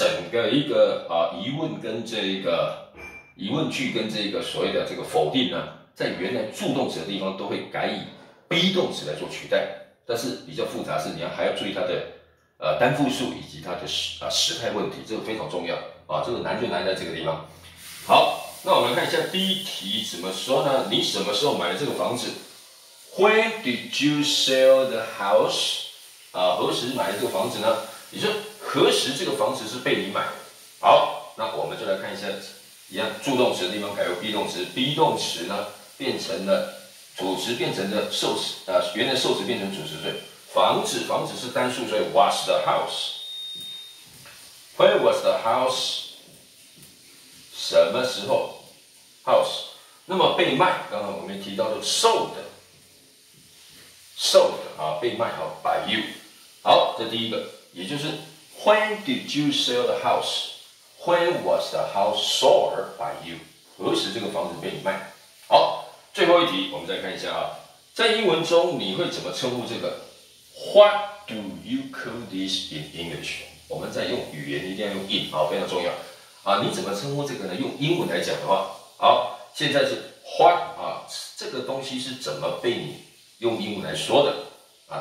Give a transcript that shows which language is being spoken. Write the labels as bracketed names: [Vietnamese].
[Chinese] 个一个啊疑问跟这个疑问句跟这个所谓的这个否定呢，在原来助动词的地方都会改以 be 动词来做取代，但是比较复杂是你还要注意它的单复数以及它的时态问题，这个非常重要啊，这个难就难在这个地方。好，那我们看一下第一题怎么说呢？你什么时候买了这个房子 ？ [English] When did you sell the house？ [Chinese] 啊，何时买了这个房子呢？你说何时这个房子是被你买？好，那我们就来看一下，一样助动词的地方改为 be 动词 ，be 动词呢变成了主词，变成了受词啊，原来受词变成主词，所以房子是单数，所以 was the house。 [English] Where was the house？ [Chinese] 什么时候 [English] house？ [Chinese] 那么被卖，刚刚我们提到的 sold 啊，被卖好 by you。好，这第一个，也就是 [English] When did you sell the house？ When was the house sold by you？ [Chinese] 何时这个房子被你卖？好，最后一题，我们再看一下啊，在英文中你会怎么称呼这个 ？ [English] What do you call this in English？ [Chinese] 我们在用语言一定要用 in 啊，非常重要啊！你怎么称呼这个呢？用英文来讲的话，好，现在是 what 啊，这个东西是怎么被你用英文来说的啊？